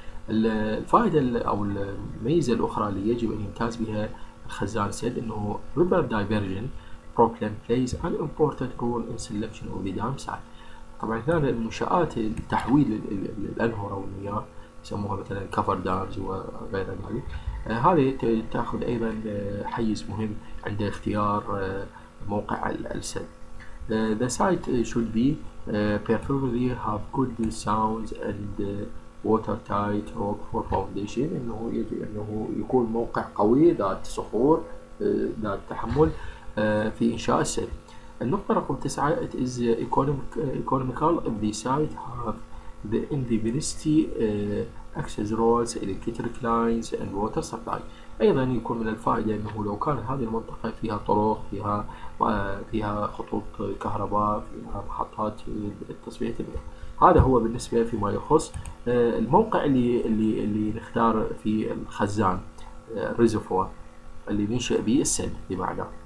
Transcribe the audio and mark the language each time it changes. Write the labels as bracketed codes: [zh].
[ar] الفائده او الميزه الاخرى اللي يجب ان يمتاز بها الخزان سد، انه [en] river diversion problem plays an important role in selection of the dam site. [ar] طبعا هنا المنشآت التحويل الانهر او المياه يسموها مثلا cover dams وغير ذلك، هذه تاخذ ايضا حيز مهم عند اختيار موقع السد. [en] The site should be preferably have good sounds and watertight rock for foundation. [ar] إنه يجب إنه يكون موقع قوي ذات صخور ذات تحمل في إنشاء السد. النقطة رقم 9، [en] it is economical if the site have the invisibility access roads, electric lines and water supply. [ar] ايضا يكون من الفائدة انه لو كان هذه المنطقة فيها طرق، فيها خطوط كهرباء، فيها محطات تصفية المياه. هذا هو بالنسبة فيما يخص الموقع اللي نختار في الخزان الريزرفوار اللي ننشئ به السد بمعنى.